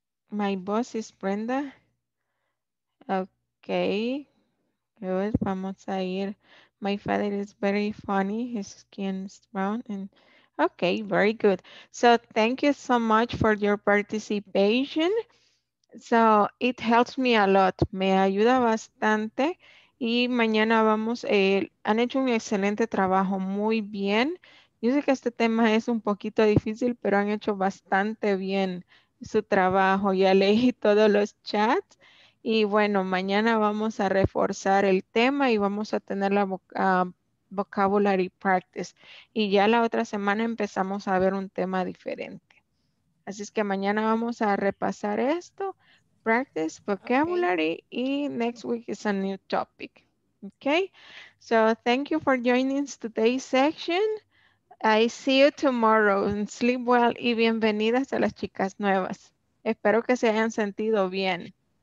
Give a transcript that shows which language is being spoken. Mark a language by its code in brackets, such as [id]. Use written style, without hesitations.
[en] My boss is Brenda. Okay, good. [es] Vamos a ir. [en] My father is very funny. His skin is brown. And okay, very good. So thank you so much for your participation. So it helps me a lot. [es] Me ayuda bastante. Y mañana vamos, han hecho un excelente trabajo, muy bien. Yo sé que este tema es un poquito difícil, pero han hecho bastante bien su trabajo. Ya leí todos los chats. Y bueno, mañana vamos a reforzar el tema y vamos a tener la vocabulary practice. Y ya la otra semana empezamos a ver un tema diferente. Así es que mañana vamos a repasar esto. [en] Practice vocabulary, okay. Y next week is a new topic. Okay, so thank you for joining today's section. I see you tomorrow and sleep well. [es] Y bienvenidas a las chicas nuevas. Espero que se hayan sentido bien.